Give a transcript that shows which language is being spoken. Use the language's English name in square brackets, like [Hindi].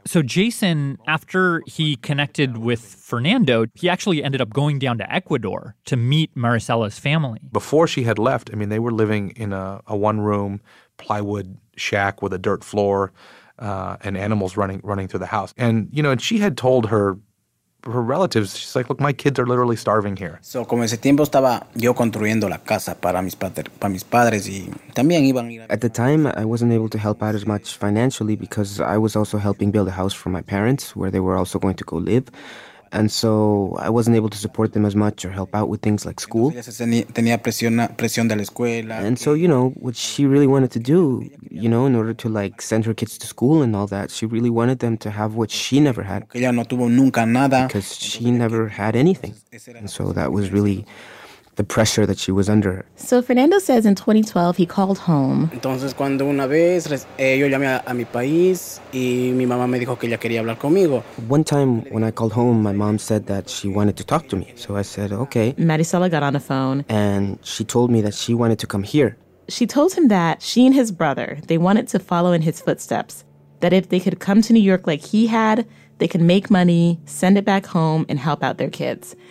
[English] So Jason, after he connected with Fernando, he actually ended up going down to Ecuador to meet Maricela's family. Before she had left, I mean, they were living in a one-room plywood shack with a dirt floor and animals running through the house. And, you know, and she had told her her relatives. She's like, look, my kids are literally starving here. [Spanish] So, como ese tiempo estaba yo construyendo la casa para mis padres y también iban. [English] At the time, I wasn't able to help out as much financially because I was also helping build a house for my parents where they were also going to go live. And so I wasn't able to support them as much or help out with things like school. And so, you know, what she really wanted to do, you know, in order to, like, send her kids to school and all that, she really wanted them to have what she never had. Because she never had anything. And so that was really the pressure that she was under. So Fernando says in 2012 he called home. [Spanish] Entonces cuando una vez yo llamé a mi país y mi mamá me dijo que ella quería hablar conmigo. [English] One time when I called home, my mom said that she wanted to talk to me. So I said, okay. Marisela got on the phone. And she told me that she wanted to come here. She told him that she and his brother, they wanted to follow in his footsteps. That if they could come to New York like he had, they could make money, send it back home, and help out their kids.